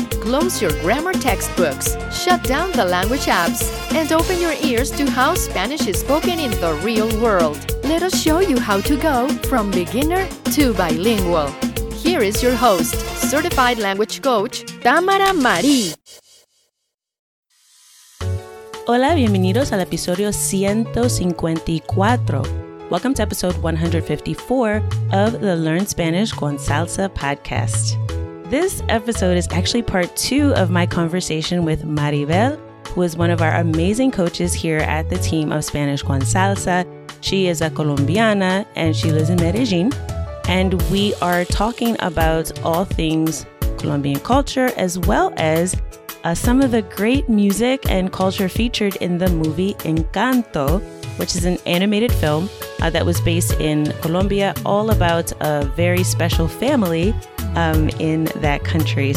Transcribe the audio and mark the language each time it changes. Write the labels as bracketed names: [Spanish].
[English] Close your grammar textbooks, shut down the language apps, and open your ears to how Spanish is spoken in the real world. Let us show you how to go from beginner to bilingual. Here is your host, certified language coach, Tamara Marí. [Spanish] Hola, bienvenidos al episodio 154. [English] Welcome to episode 154 of the Learn Spanish con Salsa podcast. This episode is actually part two of my conversation with Maribel, who is one of our amazing coaches here at the team of Spanish con Salsa. She is a Colombiana and she lives in Medellin. And we are talking about all things Colombian culture as well as some of the great music and culture featured in the movie Encanto, which is an animated film that was based in Colombia, all about a very special family in that country.